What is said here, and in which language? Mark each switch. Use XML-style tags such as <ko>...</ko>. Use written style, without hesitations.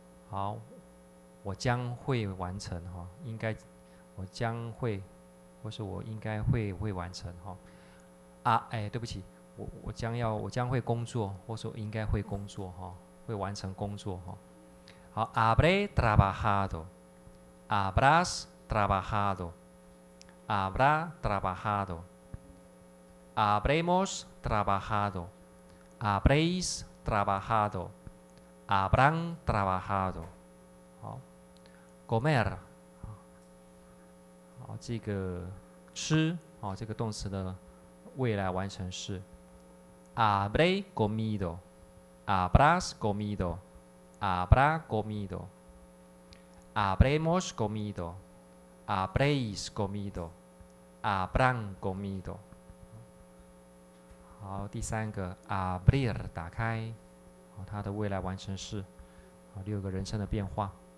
<zh>好，我将会完成，应该我将会或是我应该会完成啊，哎，对不起， 我将会工作或是我应该会工作，会完成工作。</zh> <es>好， habré trabajadoHabrás trabajado. Habrá trabajado. Habremos trabajado. Habréis trabajado. habrán trabajado. 好 ，comer， 好，</es> <zh>这个吃，</zh> <es>好，</es> <zh>这个动词的未来完成式</zh> <es>，habré comido， habrás comido， habrá comido， habremos comido， habréis comido， habrán comido。</es> <zh>好，第三个 abrir 打开，它的未来完成式，六个人称的变化。</zh>